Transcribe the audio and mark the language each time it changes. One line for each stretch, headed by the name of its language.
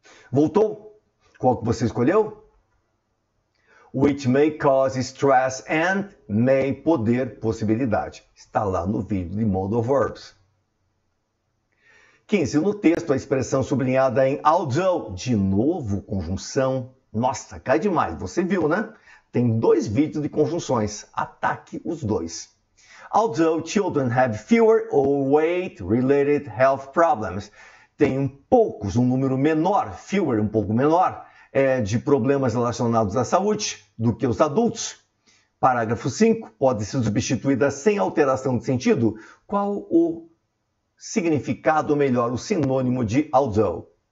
Portuguese: Voltou? Qual que você escolheu?
English: Which may cause stress and may
Portuguese: poder possibilidade. Está lá no vídeo de modal verbs. 15. No texto, a expressão sublinhada em although. De novo, conjunção. Nossa, cai demais. Você viu, né? Tem dois vídeos de conjunções. Ataque os dois.
English: Although children have fewer overweight related health problems.
Portuguese: Tem poucos, um número menor, fewer, um pouco menor. De problemas relacionados à saúde do que os adultos. Parágrafo 5. Pode ser substituída sem alteração de sentido? Qual o significado, ou melhor, o sinônimo de although?